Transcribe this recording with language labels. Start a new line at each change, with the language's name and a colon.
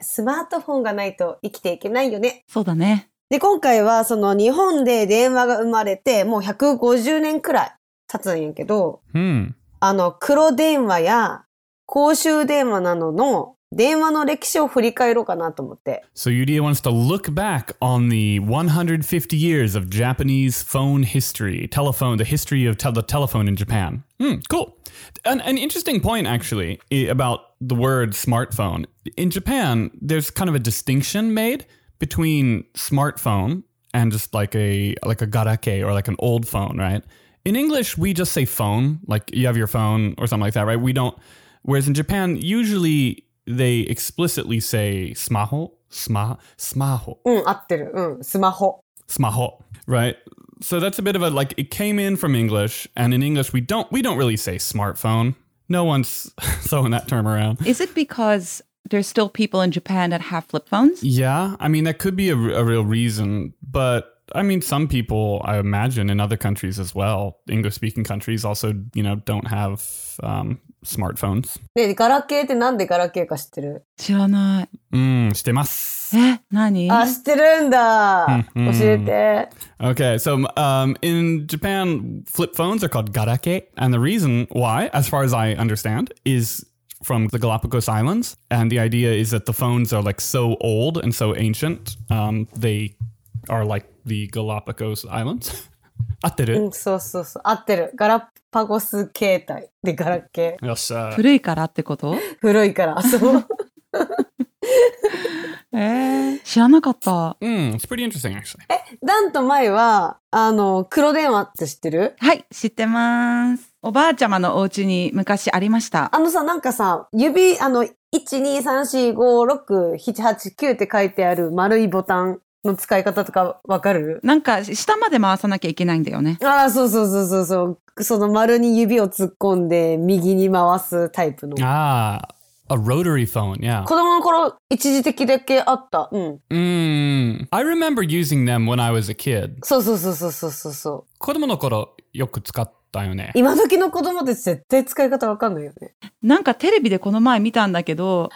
Japanese: スマートフォンがないと生きていけないよね。そうだね。で、今回はその日本で電話が生まれてもう150年くらい経つんやけど。うん。黒電話や公衆電話などの電話の歴史を振り返ろうかなと思って。
English: So Yuria wants to look back on the 150 years of Japanese phone history, telephone, the history of the telephone in Japan. Hmm, cool. An interesting point actually about the word smartphone. In Japan, there's kind of a distinction made between smartphone and just like a garake or like an old phone, right? In English, we just say phone, like you have your phone or something like that, right? Whereas in Japan, usually,They explicitly say smaho, smaho.
Japanese: うん、合ってる。うん、スマホ。スマホ。
English: Right? So that's a bit of a, like, it came in from English, and in English we don't really say smartphone. No one's throwing that term around. Is it because there's still people in Japan that have flip phones? Yeah, I mean, that could be a real reason, but... I mean, some people, I imagine, in other countries as well, English-speaking countries also, you know, don't have smartphones.
Japanese: ねえ、ガラケーってなんでガラケーか知ってる? 知らない。うん、知ってます。え、何? あ、知ってるんだ。教えて。
English: Okay, so in Japan, flip phones are called ガラケー。 And the reason why, as far as I understand, is... from the Galapagos Islands. And the idea is that the phones are like so old and so ancient, they are like the Galapagos Islands.
Japanese: 合ってる? うん、そうそうそう。合ってる。ガラパゴス携帯でガラッケー。よっしゃ。古いからってこと? 古いから、そう。知らなかった。
English: うん、it's pretty interesting actually.
Japanese: え、ダンと前は、黒電話って知ってる? はい、知ってます。おばあちゃまのお家に昔ありました。なんかさ、指、 1,2,3,4,5,6,7,8,9 って書いてある丸いボタンの使い方とかわかる？なんか下まで回さなきゃいけないんだよね。ああ、そうそうそうそうそう。その丸に指を突っ込んで右に回すタイプの。
English: ああ、a rotary phone, yeah.
Japanese: 子供の頃一時的だけあった。
English: I remember using them when I was a kid.
Japanese: そうそうそうそうそうそうそう。子供の頃よく使っただよね、今時の子供って絶対使い方わかんないよね。なんかテレビでこの前見たんだけど。